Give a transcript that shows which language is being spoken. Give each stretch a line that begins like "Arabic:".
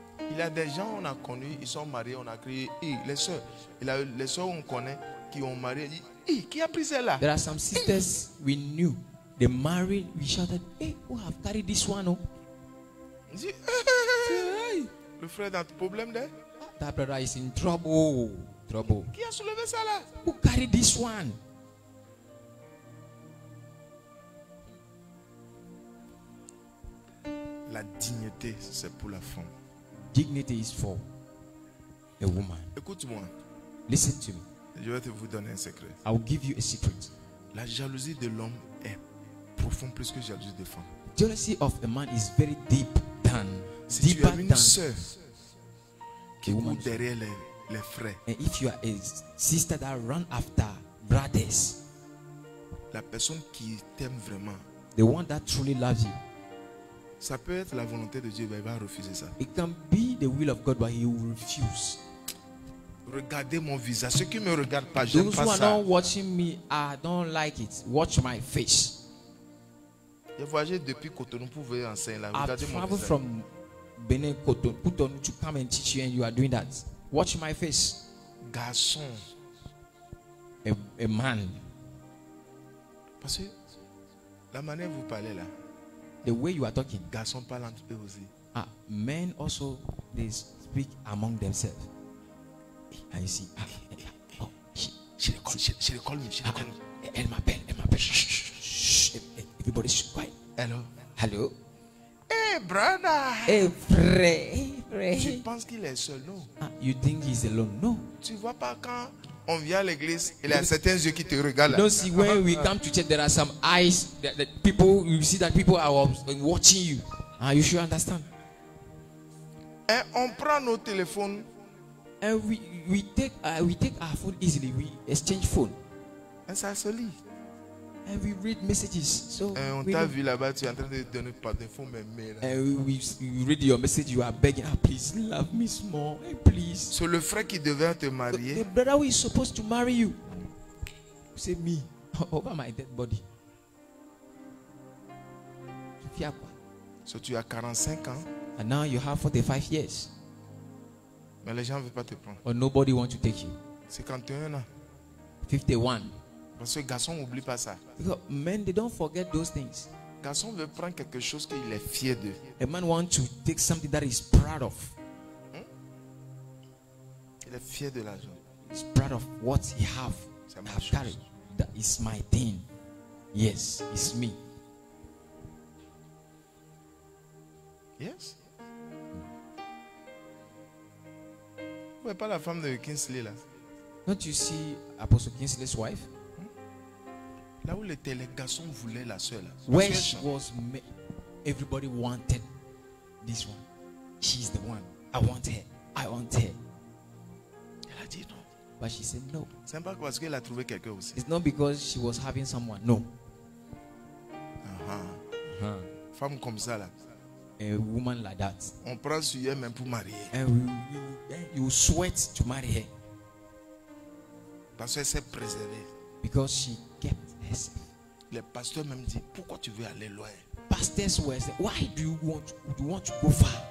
French: Il y a des gens on a connus, ils sont mariés, on a crié, hey, les soeurs, les soeurs on connaît qui ont marié, hey, qui a pris celle-là?
English: There are some sisters we knew, they married, we shouted, hey, who have carried this one? Oh?
French: Dis, hey. Le frère dans le problème là?
English: That brother is in trouble, trouble.
French: Qui a soulevé ça là?
English: Who carried this one?
French: La dignité, c'est pour la femme.
English: Dignity is for a woman.
French: Écoute-moi.
English: Listen to me.
French: Je vais te vous donner un secret.
English: I will give you a secret.
French: La jalousie de l'homme est profonde plus que la jalousie de femme.
English: Jealousy of a man is very deep than
French: si
English: deeper
French: tu as une soeur qui court derrière les frères.
English: And if you are a sister that run after brothers.
French: La personne qui t'aime vraiment.
English: The one that truly loves you.
French: Ça peut être la volonté de Dieu, mais il va refuser ça.
English: It can be the will of God, but he will refuse.
French: Regardez mon visage. Ceux qui me regardent pas,
English: those
French: j'aime pas ça.
English: Those who are not watching me, I don't like it. Watch my face.
French: J'ai voyagé depuis Cotonou pour venir enseigner là.
English: I've traveled from Benin, Cotonou to come and teach you, and you are doing that. Watch my face.
French: Garçon,
English: a man.
French: Parce que la manière vous parlez là.
English: The way you are talking.
French: Garçons parlent entre eux aussi.
English: Ah, men also they speak among themselves. And you see, she called me.
French: Elle m'appelle. Shh.
English: Everybody shh. Quiet. Hello. Hey, brother.
French: Hey, frère. Tu penses qu'il est seul, non?
English: Ah, you think he's alone? No.
French: Tu vois pas quand on vient à l'église, il y a certains yeux qui te regardent.
English: Don't see when we come to church, there are some eyes that people, you see that people are watching you. You should understand.
French: Et on prend nos téléphones.
English: And we take our phone easily. We exchange phone.
French: Et ça se lit.
English: And we read messages. So
French: et on t'a vu là-bas, tu es en train de donner par défaut mes mails.
English: And we read your message, you are begging, ah, please love me small, hey, please.
French: C'est le frère qui devait te marier.
English: The brother who is supposed to marry you.
French: C'est me,
English: over my dead body.
French: Tu fais quoi? So tu as 45 ans.
English: And now you have 45 years.
French: Mais les gens ne veulent pas te prendre.
English: Or nobody wants to take you.
French: 51 ans.
English: 51.
French: Parce que garçon n'oublie pas ça.
English: Men, they don't forget those things.
French: Garçon veut prendre quelque chose qu'il est fier de.
English: A man wants to take something that he's proud of.
French: Il est fier de l'argent.
English: He's proud of what he have.
French: C'est ma chose.
English: That is my thing. Yes, it's me. Yes.
French: Vous voyez pas la femme de Kingsley là?
English: Don't you see Apostle Kingsley's wife?
French: Là où les garçons voulaient la sœur.
English: Where she was, everybody wanted this one. She's the one. I want her.
French: Elle a dit non.
English: But she said no.
French: C'est pas parce qu'elle a trouvé quelqu'un aussi.
English: It's not because she was having someone. No.
French: Femme comme ça là.
English: A woman like that.
French: On prend sur elle même pour marier.
English: And you sweat to marry her.
French: Parce qu'elle s'est préservée.
English: Because she kept herself.
French: Les pasteurs même disent pourquoi tu veux aller loin.
English: Pastors were saying, why do you want to go far?